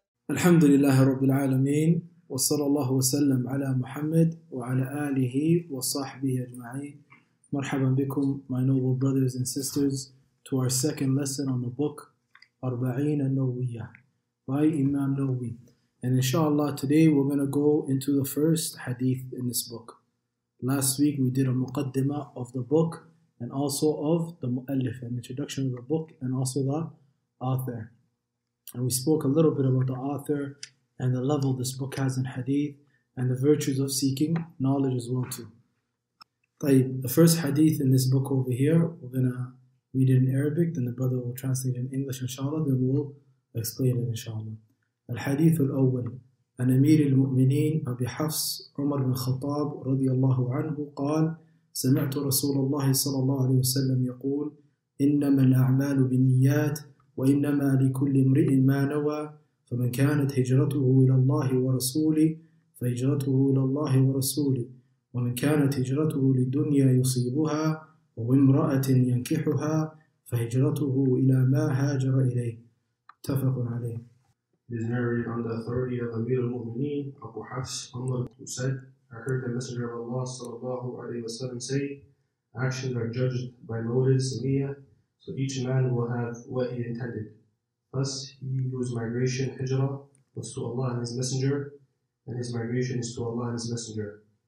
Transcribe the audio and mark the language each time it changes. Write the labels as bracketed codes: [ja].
[ar] الحمد لله رب العالمين وصلى الله وسلم على محمد وعلى آله وصحبه أجمعين مرحبا بكم [en] my noble brothers and sisters to our second lesson on the book 40 النووية by Imam Nawawi. And inshallah, today we're going to go into the first hadith in this book. Last week we did a muqaddimah of the book and also of the mu'allif, an introduction of the book and also the author. And we spoke a little bit about the author and the level this book has in hadith and the virtues of seeking knowledge as well too. طيب, the first hadith in this book over here, we're going to read it in Arabic, then the brother will translate it in English inshallah, then we'll explain it inshallah. [ar] الحديث الأول عن أمير المؤمنين أبي حفص عمر بن الخطاب رضي الله عنه قال سمعت رسول الله صلى الله عليه وسلم يقول إنما الأعمال بالنيات وإنما لكل امرئ ما نوى فمن كانت هجرته إلى الله ورسوله فهجرته إلى الله ورسوله ومن كانت هجرته للدنيا يصيبها وامرأة ينكحها فهجرته إلى ما هاجر إليه اتفق عليه. [en] This is narrated on the authority of Amir al-Mu'mineen, Abu Hafs, Umar, who said, I heard the Messenger of Allah sallallahu alayhi wa sallam say, actions are judged by motives, samiyya, so each man will have what he intended. Thus, he whose migration, hijrah, was to Allah and His Messenger, and his migration is to Allah and His Messenger.